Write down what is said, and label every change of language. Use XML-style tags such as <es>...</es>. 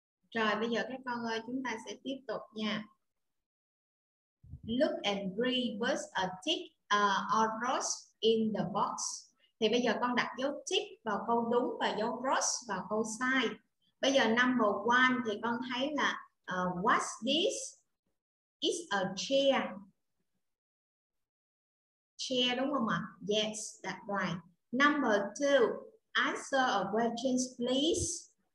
<vi>Rồi bây giờ các con ơi chúng ta sẽ tiếp tục nha.</vi> <en>Look and read with a tick or cross in the box.</en> <vi>Thì bây giờ con đặt dấu tick vào câu đúng và dấu cross vào câu sai. Bây giờ number one thì con thấy là</vi> <en>what's this? It's a chair. Chair</en> <vi>đúng không ạ?</vi> <en>Yes, that's right. Number two, answer a question please.</en>